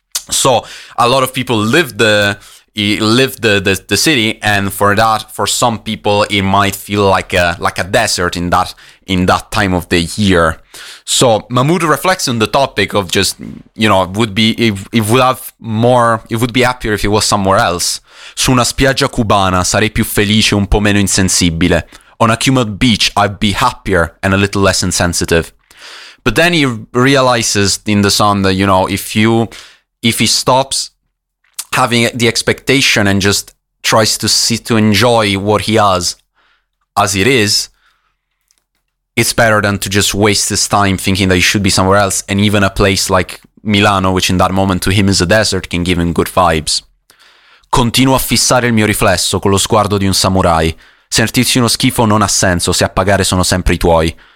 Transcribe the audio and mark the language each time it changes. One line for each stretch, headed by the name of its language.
English: So, a lot of people live the city, and for that, for some people, it might feel like a desert in that time of the year. So Mahmood reflects on the topic of just, you know, would be happier if it was somewhere else.
Italian: Su una spiaggia cubana sarei più felice, un po' meno insensibile.
English: On a Cuban beach, I'd be happier and a little less insensitive. But then he realizes in the song that, you know, if he stops having the expectation and just tries to see, to enjoy what he has as it is, it's better than to just waste his time thinking that he should be somewhere else. And even a place like Milano, which in that moment to him is a desert, can give him good vibes.
Italian: Continuo a fissare il mio riflesso con lo sguardo di un samurai. Sentirsi uno schifo non ha senso se a pagare sono sempre i tuoi.